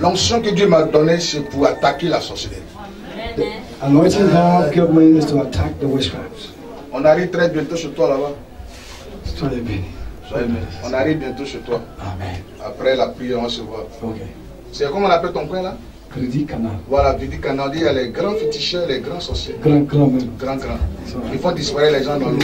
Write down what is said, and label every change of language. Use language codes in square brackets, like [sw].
[fr] L'onction que Dieu m'a donnée, c'est pour attaquer la sorcellerie. [en] Anointing God, God means to attack the witchcraft. [fr] On arrive très bientôt chez toi là-bas. Soyez béni. On arrive bientôt chez toi. Amen. Après la pluie, on se voit. Okay. C'est comment on appelle ton coin là? Crédit Canal. Voilà, Crédit Canal. Il y a les grands féticheurs, les grands sorciers. Grand, même. Grand. Il faut disparaître les gens dans l'eau.